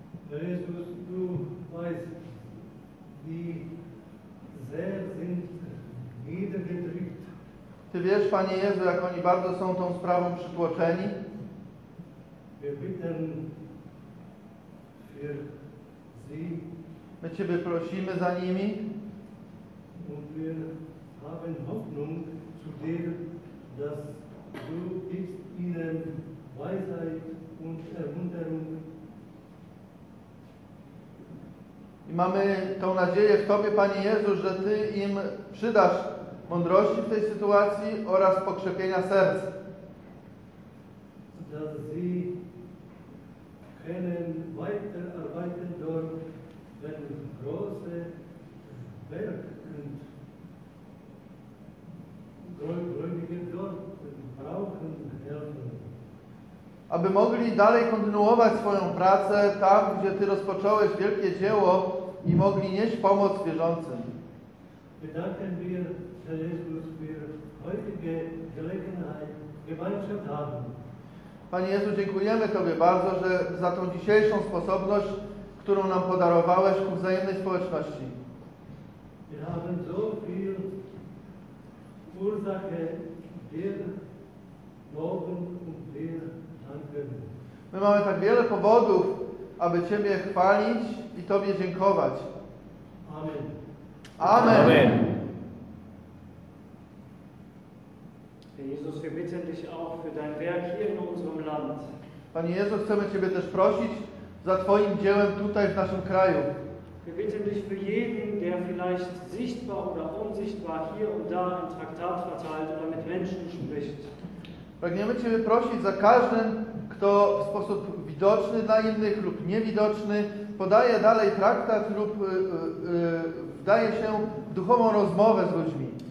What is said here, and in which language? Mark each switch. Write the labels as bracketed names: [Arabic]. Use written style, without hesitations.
[German] Jezus, du weißt, wie sehr sind niedergedrückt. [Polish] Ty wiesz, Panie Jezu, jak oni bardzo są tą sprawą przytłoczeni. [German] Wir bitten für sie. [Polish] My Ciebie prosimy za nimi. [German] Und wir haben Hoffnung zu dir, dass du gibst ihnen Weisheit und Ermunterung. [Polish] I mamy tą nadzieję w Tobie, Panie Jezu, że Ty im przydasz mądrości w tej sytuacji oraz pokrzepienia serc. [German] Dass sie können weiter arbeiten dort, wenn große Berg und gläubige dort brauchen Hilfe. [Polish] Aby mogli dalej kontynuować swoją pracę tam, gdzie Ty rozpocząłeś wielkie dzieło, i mogli nieść pomoc wierzącym. [German] Bedanken wir, Herr Jesus, für heutige Gelegenheit, Gemeinschaft haben. [Polish] Panie Jezu, dziękujemy Tobie bardzo, że za tą dzisiejszą sposobność, którą nam podarowałeś ku wzajemnej społeczności. [German] Wir haben so viel Ursache, dir loben und dir danken. [Polish] My mamy tak wiele powodów, aby Ciebie chwalić i Tobie dziękować. [German] Amen. [Polish] Amen. Amen. [German] Jezus, wir bitten dich auch für dein Werk hier in unserem Land. [Polish] Panie Jezu, chcemy Ciebie też prosić za Twoim dziełem tutaj w naszym kraju. [German] Wir bitten dich für jeden, der vielleicht sichtbar oder unsichtbar hier und da ein Traktat verteilt oder mit Menschen spricht. [Polish] Pragniemy Ciebie prosić za każdym, kto w sposób widoczny dla innych lub niewidoczny podaje dalej traktat lub wdaje się w duchową rozmowę z ludźmi.